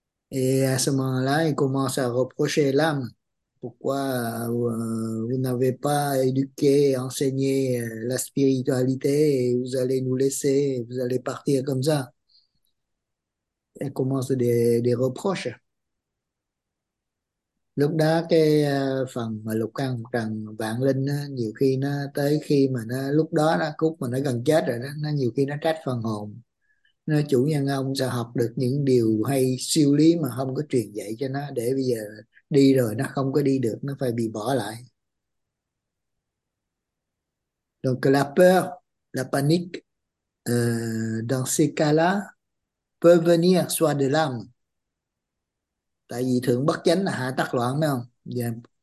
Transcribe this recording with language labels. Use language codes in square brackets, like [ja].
[fr] Et à ce moment-là, il commence à reprocher l'âme. Pourquoi vous n'avez pas éduqué, enseigné la spiritualité et vous allez nous laisser, vous allez partir comme ça. Il commence des reproches. [vi] Lúc đó cái phần mà lục căn trần vạn linh á, nhiều khi nó tới khi mà nó lúc đó nó khúc mà nó gần chết rồi đó, nó nhiều khi nó trách phần hồn, nó chủ nhân ông sẽ học được những điều hay siêu lý mà không có truyền dạy cho nó, để bây giờ đi rồi nó không có đi được, nó phải bị bỏ lại. [fr] Donc la peur, la panique, dans ces cas-là, peut venir soit de l'âme. [vi] Tại vì thượng bất chánh là hạ tắc loạn, phải không?